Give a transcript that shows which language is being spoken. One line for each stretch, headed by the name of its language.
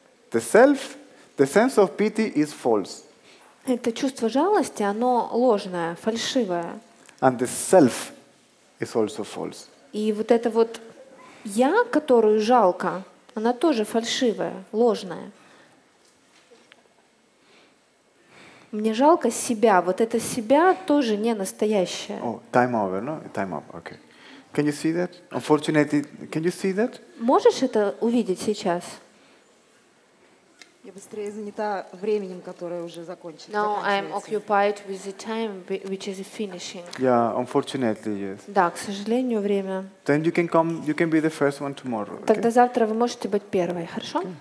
English: The self, the sense of pity is false.
Russian: Это чувство жалости, оно ложное, фальшивое.
English: And the self is also false.
Russian: И вот это вот я, которую жалко, она тоже фальшивая, ложная. Мне жалко себя, вот это себя тоже не настоящее.
English: Oh, time over, no? Time up, okay. Can you see that? Unfortunately, can you see that?
Russian: Можешь это увидеть сейчас? Я быстрее занята временем, которое уже закончилось.
English: Now I'm occupied with the time which is finishing. Yeah, unfortunately, yes.
Russian: Да, к сожалению, время.
English: Then you can come, you can be the first one tomorrow.
Russian: Тогда завтра вы можете быть первой, хорошо?